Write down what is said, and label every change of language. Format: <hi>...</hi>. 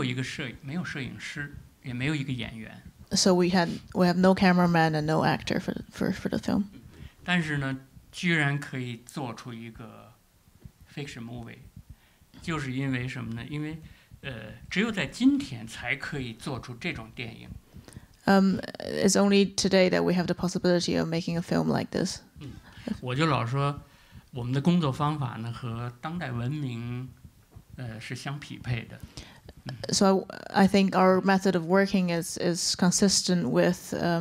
<zh>总的来说就是说，这个电影呢是没有摄影师，也没有一个演员。</zh> <en>So we have no cameraman and no actor for the film.</en> <zh>但是呢，居然可以做出一个 fiction movie， 就是因为什么呢？因为只有在今天才可以做出这种电影。</zh> <en>It's only today that we have the possibility of making a film like this.</en> <zh>我就老说，我们的工作方法呢和当代文明，是相匹配的。</zh> <en>So I think our method of working is consistent with</en>